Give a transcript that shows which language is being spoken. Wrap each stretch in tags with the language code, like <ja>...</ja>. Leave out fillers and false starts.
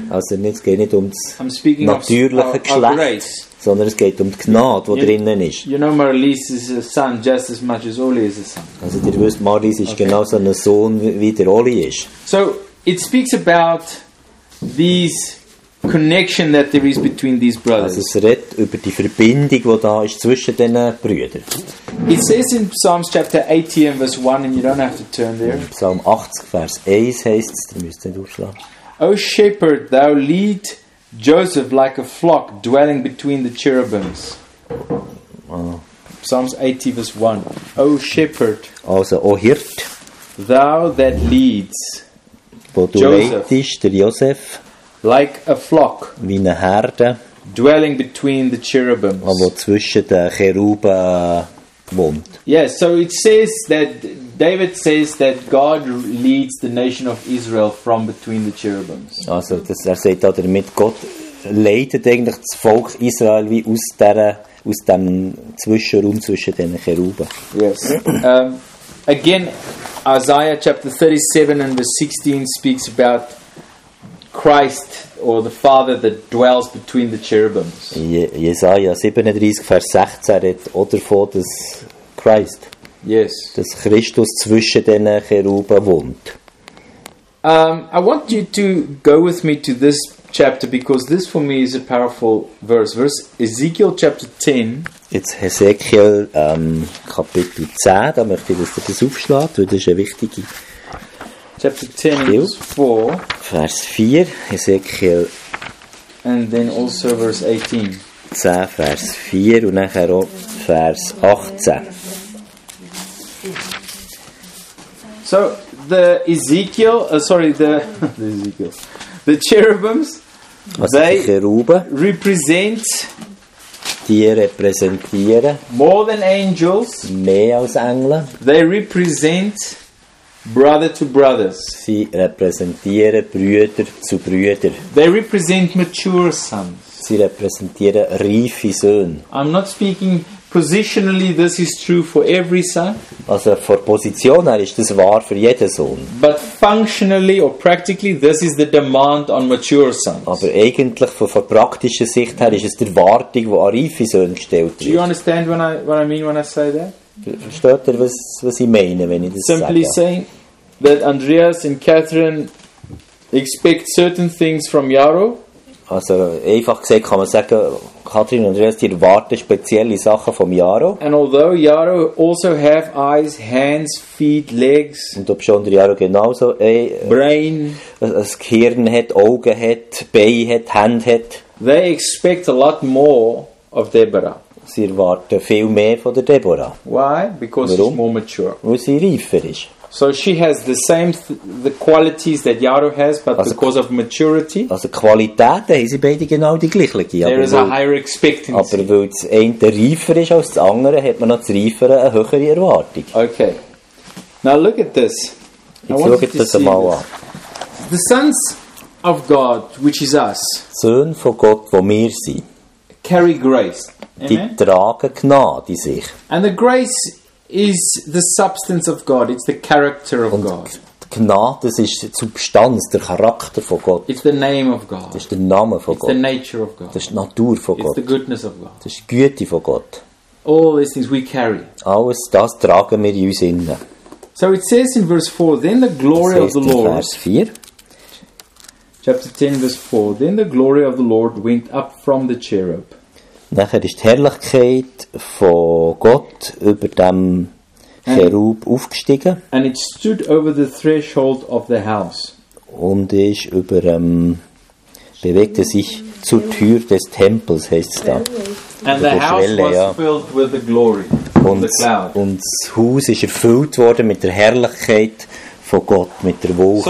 <de>Also es geht nicht um das natürliche Geschlecht, sondern es geht um die Gnade, die drinnen ist.</de> <en>You know, Marlies is a son just as much as Oli is a son.</en> <de>Also ihr wisst, Marlies ist genauso ein Sohn, wie der Oli ist.</de> <en>So, it speaks about these connection that there is between these brothers.</en> <de>Also es redet über die Verbindung, die da ist zwischen den Brüdern.</de> <en>It says in Psalms chapter 80 and verse 1, and you don't have to turn there.</en> <de>Psalm 80, Vers 1 heißt es, da müsst ihr nicht aufschlagen.</de> <en>O shepherd, thou lead Joseph like a flock dwelling between the cherubims. Psalms 80, verse 1. O shepherd.</en> <de>Also, o Hirt.</de> <en>Thou that leads Joseph. Like a flock,</en> <de>wie eine Herde,</de> <en>dwelling between the cherubims,</en> <de>wo zwischen den Cheruben wohnt.</de> <en>Yes, so it says that David says that God leads the nation of Israel from between the cherubims.</en> <de>Also, das, er sagt da damit, Gott leitet eigentlich das Volk Israel wie aus dem Zwischenraum zwischen den Cheruben.</de> <en>Yes. Again, Isaiah chapter 37 and verse 16 speaks about Christ or the Father that dwells between the cherubims.</en> <de>Jesaja 37 Vers 16 redt oder vor das Christ.</de> <en>Yes.</en> <de>Dass Christus zwischen den Cheruben wohnt.</de> <en>I want you to go with me to this chapter because this for me is a powerful verse. Verse Ezekiel chapter 10.</en> <de>Jetzt Ezekiel Kapitel 10, da möchte ich, dass du das aufschlägst, weil das ist eine wichtige.</de> <en>Chapter 10,</en> <de>Vers 4. Vers 4, Ezekiel.</de> <en>And then also verse 18.</en> <de>10, Vers 4 und dann auch Vers 18.</de> <en>So, the cherubims,</en> <de>also</de> <en>they</en> <de>die Cherube,</de> <en>represent</en> <de>die repräsentieren</de> <en>more than angels,</en> <de>mehr als Engel.</de> <en>They represent brother to brothers.</en> <de>Sie repräsentieren Brüder zu Brüder.</de> <en>They represent mature sons.</en> <de>Sie repräsentieren reife Söhne.</de> <en>I'm not speaking positionally, this is true for every son.</en> <de>Also für Position her ist das wahr für jeden Sohn.</de> <en>But functionally or practically, this is the demand on mature sons.</en> <de>Aber eigentlich von praktischer Sicht her ist es die Erwartung, die an reife Söhne gestellt wird.</de> <en>Do you understand what I mean when I say that?</en> <de>Versteht ihr, was ich meine, wenn ich das</de> <en>simply Simply saying that Andreas and Catherine expect certain things from Yaro.</en> <de>Also einfach gesagt kann man sagen, Katrin und Andreas, die erwarten spezielle Sachen vom Yaro.</de> <en>And although Yaro also have eyes, hands, feet, legs.</en> <de>Und ob schon der Yaro genauso</de> <en>brain,</en> <de>ein Gehirn hat, Augen hat, Beine hat, Hände hat.</de> <en>They expect a lot more of Deborah.</en> <de>Sie erwarten viel mehr von der Deborah.</de> <en>Why? Because</en> <de>warum?</de> <en>She's more mature.</en> <de>Weil sie reifer ist.</de> <en>So she has the same the qualities that Yaro has, but also, because of maturity.</en> <de>Also Qualitäten haben sie beide genau die gleiche.</de> <en>There is a higher expectancy.</en> <de>Aber weil das eine reifer ist als das andere, hat man noch das Reifere eine höhere Erwartung.</de> <en>Okay. Now look at this.</en> <de>Jetzt schaut das einmal an.</de> <en>The sons of God, which is us.</en> <de>Söhne von Gott, wo wir sind.</de> <en>Carry grace.</en> <de>Die</de> <en>Amen.</en> <de>Tragen Gnade in sich.</de> <en>And the grace is the substance of God. It's the character of</en> <de>und</de> <en>God.</en> <de>Gnade, das ist die Substanz, der Charakter von Gott.</de> <en>It's the name of God.</en> <de>Das ist der Name von</de> <en>it's</en> <de>Gott.</de> <en>The nature of God.</en> <de>Das ist die Natur von</de> <en>it's</en> <de>Gott.</de> <en>The goodness of God.</en> <de>Das ist die Güte von Gott.</de> <en>All these things we carry.</en> <de>Alles das tragen wir in uns innen.</de> <en>So it says in verse 4, then the glory of the Lord.</en> <de>Vers 4.</de> <en>Chapter 10, verse 4. Then the glory of the Lord went up from the cherub.</en> <de>Nachher ist die Herrlichkeit von Gott über dem Cherub aufgestiegen.</de> <en>And it stood over the threshold of the house.</en> <de>Und ist über, bewegte sich zur Tür des Tempels, heißt es da.</de> <en>And the house was filled with the glory of the cloud.</en> <de>Und das Haus ist erfüllt worden mit der Herrlichkeit von Gott, mit der Wolke.</de>